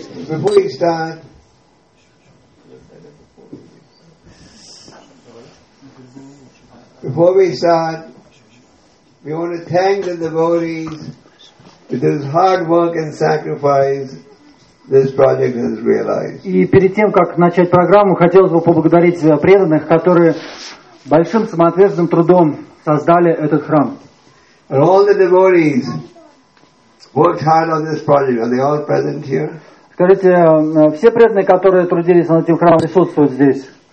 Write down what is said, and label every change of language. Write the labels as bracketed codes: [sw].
[en] Before we start, we want to thank the devotees for this hard work and sacrifice. This project has realized. [ru] И перед тем, как начать программу, хотелось бы поблагодарить преданных, которые большим самоотверженным трудом создали этот храм. [en] And all the devotees worked hard on this project. Are they all present here? [ru] Скажите, все преданные, которые трудились над этим храмом, присутствуют здесь?